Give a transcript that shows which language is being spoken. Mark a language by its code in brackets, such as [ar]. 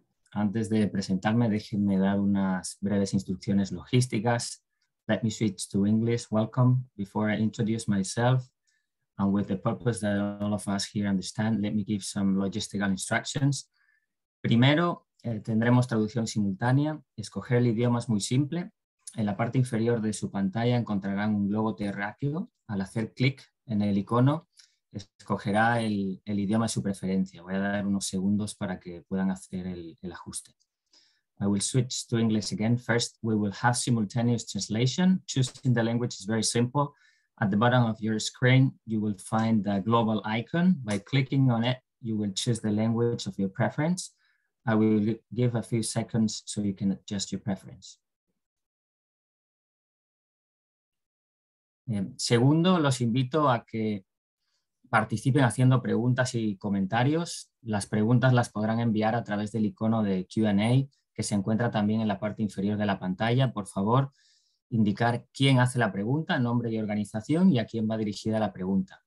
[es] Antes de presentarme, déjenme dar unas breves instrucciones logísticas. [en] Let me switch to English. Welcome. Before I introduce myself and with the purpose that all of us here understand, let me give some logistical instructions. [es] Primero, tendremos traducción simultánea. Escoger el idioma es muy simple. En la parte inferior de su pantalla encontrarán un globo terráqueo. Al hacer clic en el icono, escogerá el idioma de su preferencia. Voy a dar unos segundos para que puedan hacer el ajuste. [en] I will switch to English again. First, we will have simultaneous translation. Choosing the language is very simple. At the bottom of your screen, you will find the global icon. By clicking on it, you will choose the language of your preference. I will give a few seconds so you can adjust your preference. [es] Segundo, los invito a que participen haciendo preguntas y comentarios. Las preguntas las podrán enviar a través del icono de Q&A que se encuentra también en la parte inferior de la pantalla. Por favor, indicar quién hace la pregunta, nombre y organización y a quién va dirigida la pregunta.